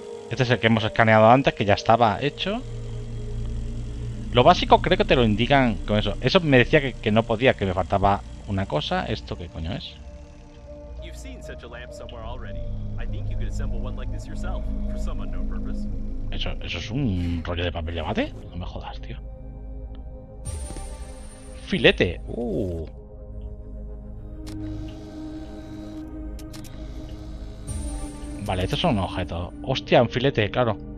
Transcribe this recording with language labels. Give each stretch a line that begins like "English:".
Spanish: Este es el que hemos escaneado antes, que ya estaba hecho. Lo básico creo que te lo indican con eso. Eso me decía que no podía, que me faltaba una cosa. ¿Esto qué coño es?
English: You've seen such a lamp somewhere already. I think you could assemble one like this yourself, for some unknown purpose.
Spanish: ¿Eso es un rollo de papel de abate? No me jodas, tío. ¡Filete! Vale, estos son objetos. ¡Hostia, un filete, claro!